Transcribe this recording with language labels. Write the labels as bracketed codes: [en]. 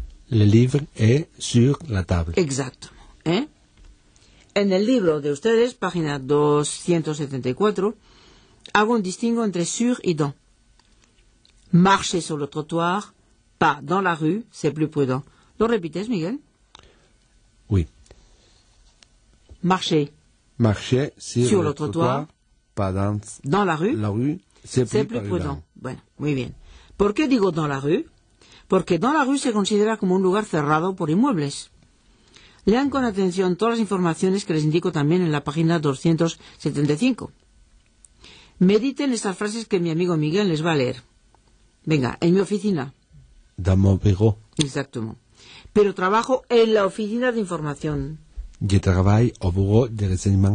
[fr] Le livre est sur la table. [es] Exacto, En el libro de ustedes, página 274, hago un distingo entre sur y dans. [fr] Marcher sur le trottoir, pas dans la rue, c'est plus prudent. [es] ¿Lo repites, Miguel? [fr] Oui. Marcher sur le trottoir, pas dans la rue, c'est plus prudent. [es] Bueno, muy bien. ¿Por qué digo [fr] dans la rue? [es] Porque [fr] dans la rue [es] se considera como un lugar cerrado por inmuebles. Lean con atención todas las informaciones que les indico también en la página 275. Mediten estas frases que mi amigo Miguel les va a leer. Venga, en mi oficina. [fr] Dans mon bureau. Exactement. [es] Pero trabajo en la oficina de información. [fr] Je travaille au bureau de renseignement.